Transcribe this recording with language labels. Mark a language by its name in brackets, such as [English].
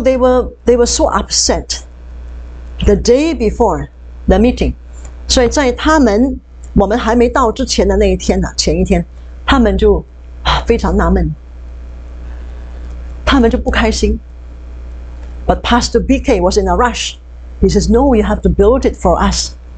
[English] they were so upset the day before the meeting. [Chinese] 所以在他们我们还没到之前的那一天呢，前一天，他们就非常纳闷，他们就不开心。 [English] But Pastor BK was in a rush. He says, "No, you have to build it for us."